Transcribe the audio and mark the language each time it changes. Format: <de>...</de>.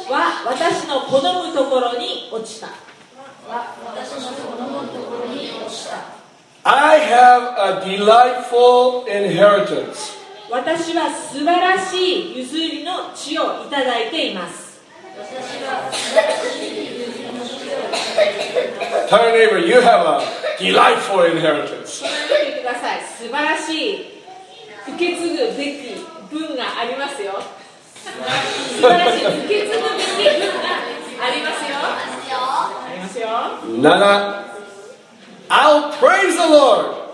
<ja>は私の好むところに落ちた。は私の好むところに落ちた。</ja> <en>I have a delightful inheritance。</en> <ja>私は素晴らしい譲りの地をいただいています。</ja> <en>Tell your neighbor, you have a delightful inheritance.</en> <ja>素晴らしい受け継ぐべき分がありますよ。素晴らしい受け継ぐべき分がありますよ。ありますよ。</ja> <en>7. I'll praise the Lord.</en>